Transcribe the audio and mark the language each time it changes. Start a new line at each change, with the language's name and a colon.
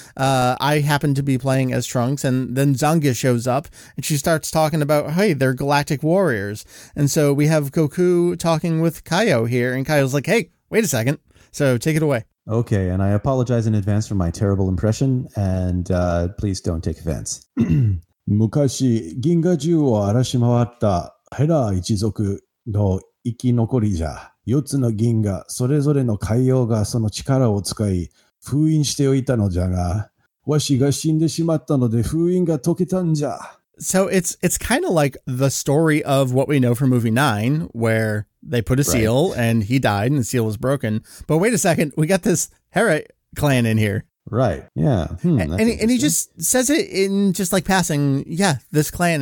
English: I happen to be playing as Trunks, and then Zangief shows up, and she starts talking about, hey, they're galactic warriors. And so we have Goku talking with Kaio here, and Kaio's like, hey, wait a second. So take it away. Okay, and I apologize in advance for my terrible impression, and please don't take offense.
Japanese: 昔、銀河中を荒らし回ったヘラ一族の生き残りじゃ、4つの銀河、それぞれの海洋がその力を使い、封印しておいたのじゃが、わしが死んでしまったので封印が解けたんじゃ。
English: So it's kind of like the story of what we know from Movie 9, where they put a seal and he died and the seal was broken. But wait a second, we got this Hera clan in here. Right. Yeah. And he just says it in just like passing. Yeah, this clan.